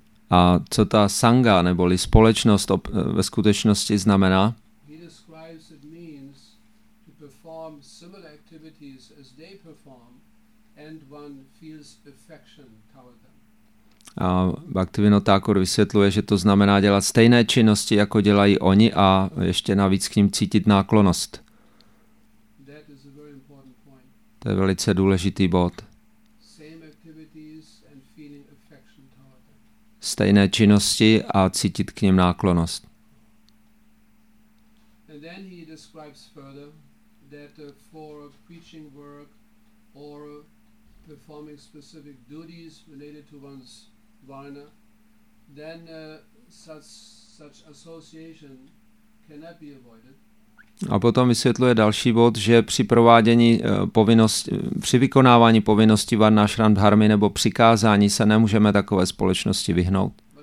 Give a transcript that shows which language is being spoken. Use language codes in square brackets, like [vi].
[cs] A co ta sangha neboli společnost ve skutečnosti znamená? [en] Describes it means to perform similar activities as they perform and one feels affection toward them. [cs] A Bhaktivinoda Thakur vysvětluje, že to znamená dělat stejné činnosti, jako dělají oni, a ještě navíc k ním cítit náklonost. [en] That is a very important point. [cs] To je velice důležitý bod. [en] Same activities and feeling affection toward them. [cs] Stejné činnosti a cítit k ním náklonost. [en] And then he describes further that for preaching work or performing specific duties related to one's varna, then such association cannot be avoided. [cs] A potom vysvětluje další bod, že při provádění povinnosti, při vykonávání povinnosti varnashram dharmy nebo přikázání se nemůžeme takové společnosti vyhnout.